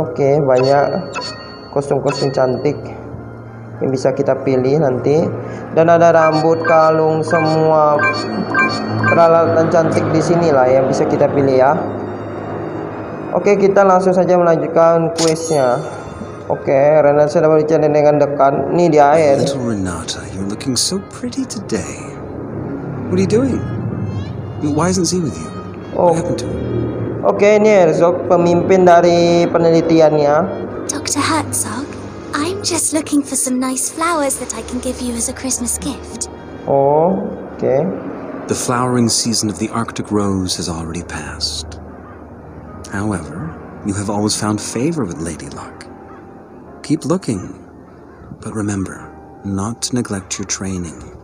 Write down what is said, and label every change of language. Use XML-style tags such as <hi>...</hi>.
<id>Oke, banyak kostum-kostum cantik yang bisa kita pilih nanti. Dan ada rambut, kalung, semua peralatan cantik di sini lah yang bisa kita pilih ya. Oke, kita langsung saja melanjutkan quiznya. Oke, Renata sudah berbicara dengan dekat. Ini dia air.</id> <en>Little Renata, you're looking so pretty today. What are you doing? Why isn't he with you? What happened to him?</en> <id>Oke, ini Herzog, pemimpin dari penelitiannya.</id> <en>Dr. Herzog, I'm just looking for some nice flowers that I can give you as a Christmas gift.</en> <id>Oh, oke.</id> <en>The flowering season of the Arctic Rose has already passed. However, you have always found favor with Lady Luck. Keep looking, but remember not to neglect your training.</en>